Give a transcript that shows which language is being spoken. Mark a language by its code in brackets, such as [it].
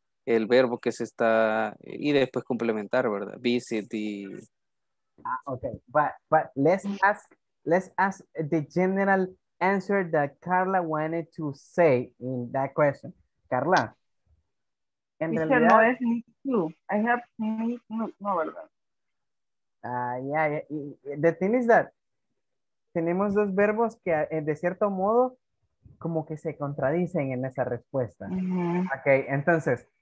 [es] El verbo que se está, y después complementar, ¿verdad? [en] Visit y... okay, but let's ask the general answer that Carla wanted to say in that question. Carla. [es] En realidad, no es me too. [en] I have me, no, [es] ¿verdad? [en] Yeah, the thing is that [es] tenemos dos verbos que de cierto modo como que se contradicen en esa respuesta. Okay, entonces...